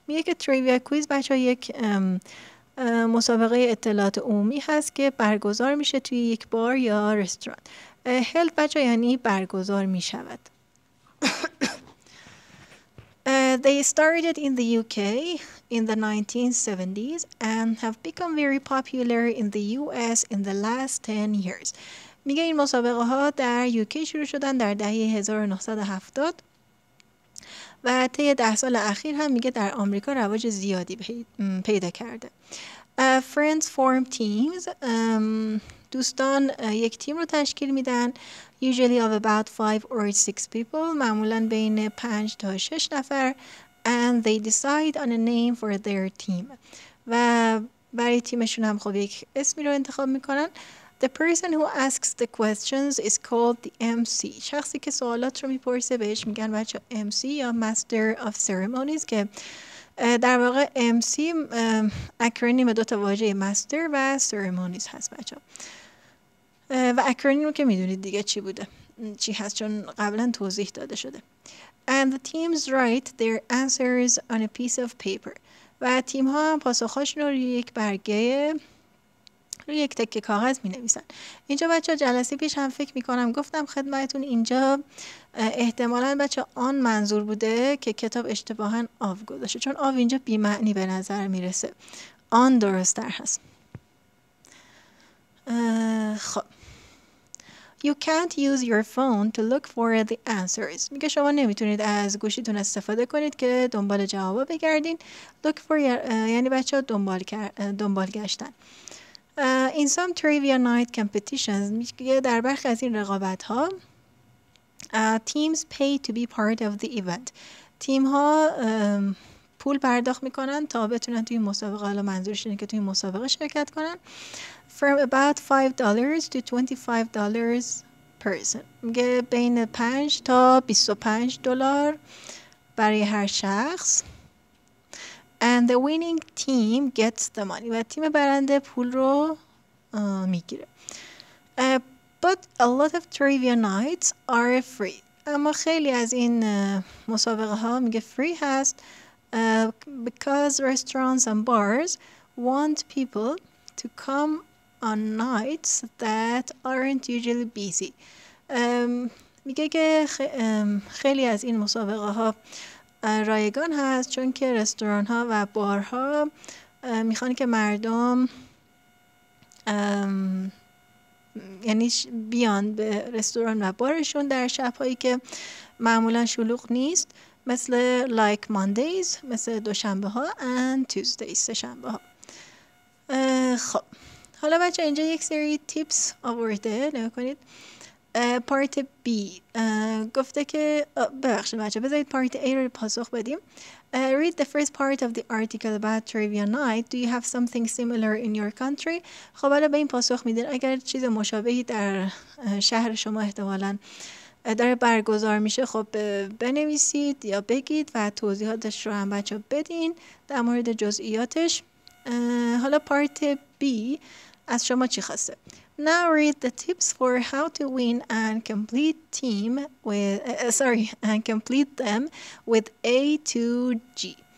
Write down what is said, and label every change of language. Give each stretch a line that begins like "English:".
Persian: میگه trivia quiz بچه یک مسابقه اطلاعات عمومی هست که برگزار میشه توی یک بار یا رستوران. Held بچه یعنی برگزار میشود.
English: They started in the UK in the 1970s and have become very popular in the US in the last 10 years.
Persian: میگه این مسابقه ها در یوکی شروع شدن در دهه 1970 و طی 10 سال اخیر هم میگه در آمریکا رواج زیادی پیدا کرده.
English: Friends form teams.
Persian: دوستان یک تیم رو تشکیل میدن.
English: Usually of about 5 or 6 people.
Persian: معمولا بین 5 تا 6 نفر.
English: And they decide on a name for their team.
Persian: و برای تیمشون هم خب یک اسمی رو انتخاب میکنن.
English: The person who asks the questions is called the MC.
Persian: شخصی که سوالات رو میپرسه بهش میگن بچه MC یا Master of Ceremonies، که در واقع MC اکرونیم دوتا واژه Master و Ceremonies هست بچه. و اکرونیم رو که میدونید دیگه چی بوده چی هست، چون قبلا توضیح داده شده.
English: And the teams write their answers on a piece of paper.
Persian: و تیم ها هم پاسخاشون رو یک برگه روی یک تکه کاغذ می نویسن. اینجا بچه جلسه پیش هم فکر می کنم گفتم خدمتون، اینجا احتمالاً بچه آن منظور بوده که کتاب اشتباهاً آف گذاشته، چون آف اینجا بیمعنی به نظر می رسه، آن درست در هست.
English: خب You can't use your phone to look for the answers.
Persian: میگه شما نمیتونید از گوشیتون استفاده کنید که دنبال جواب بگردین. Look for یعنی بچه دنبال گشتن.
English: In some trivia night competitions,
Persian: در برخی از این رقابت ها
English: teams pay to be part of the event.
Persian: تیم ها پول پرداخت میکنن تا بتونن توی مسابقه، حالا منظورش اینه که توی مسابقه شرکت کنن.
English: From about $5 to $25 person.
Persian: میگه بین 5 تا 25 دلار برای هر شخص.
English: And the winning team gets the money.
Persian: و تیم برنده پول رو میگیره.
English: But a lot of trivia nights are free.
Persian: اما خیلی از این مسابقه ها میگه free هست.
English: Because restaurants and bars want people to come on nights that aren't usually busy.
Persian: میگه که خیلی از این مسابقه ها رایگان هست، چون که رستوران ها و بارها میخوان که مردم یعنی بیان به رستوران و بارشون در شب هایی که معمولا شلوغ نیست، مثل
English: like Mondays،
Persian: مثل دوشنبه ها
English: and Tuesdays،
Persian: سه شنبه ها. خب حالا بچه اینجا یک سری تیپس آورده، نگاه کنید. پارت B گفته که ببخشید بچه بذارید پارت A رو پاسخ بدیم.
English: Read the first part of the article about trivia night. Do you have something similar in your country?
Persian: خب حالا به این پاسخ میدین اگر چیز مشابهی در شهر شما احتمالاً داره برگزار میشه، خب بنویسید یا بگید و توضیحاتش رو هم بچه بدین در مورد جزئیاتش. حالا پارت B از شما چی خواسته؟
English: Now read the tips for how to win and complete team with and complete them with A to G.